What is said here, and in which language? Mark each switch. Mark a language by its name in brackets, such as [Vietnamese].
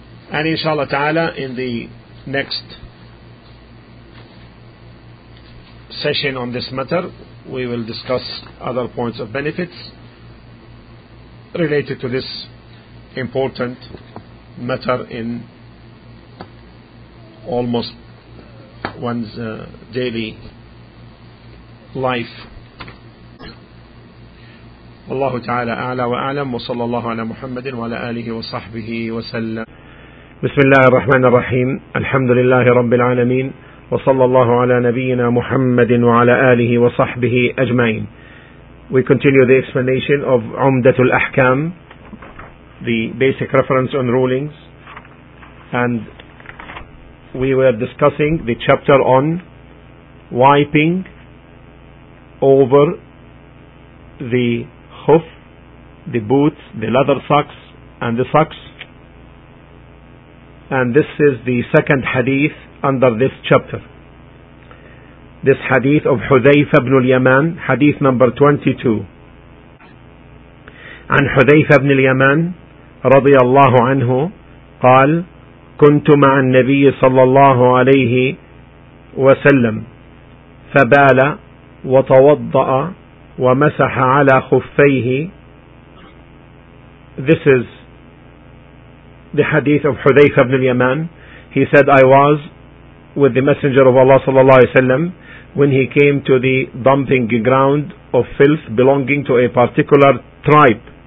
[English] And inshallah ta'ala, in the next session on this matter, we will discuss other points of benefits related to this important matter in almost one's daily life. [Arabic] والله تعالى أعلى وأعلم وصلى الله على محمد وعلى آله وصحبه وسلم. بسم الله الرحمن الرحيم. الحمد لله رب العالمين، وصلى الله على نبينا محمد وعلى آله وصحبه أجمعين. [English] We continue the explanation of عمدة الأحكام, the basic reference on rulings, and we were discussing the chapter on wiping over the khuf, the boots, the leather socks, and the socks. And this is the second hadith under this chapter. This hadith of Hudhayfa ibn al-Yaman, hadith number 22. [Arabic] عن Hudhayfa ibn al-Yaman رضي الله عنه قال كنت مع النبي صلى الله عليه وسلم فبال وتوضأ ومسح على خفيه. [English] This is the hadith of Hudhayfa ibn al-Yaman. He said, I was with the Messenger of Allah sallallahu alaihi wasallam when he came to the dumping ground of filth belonging to a particular tribe.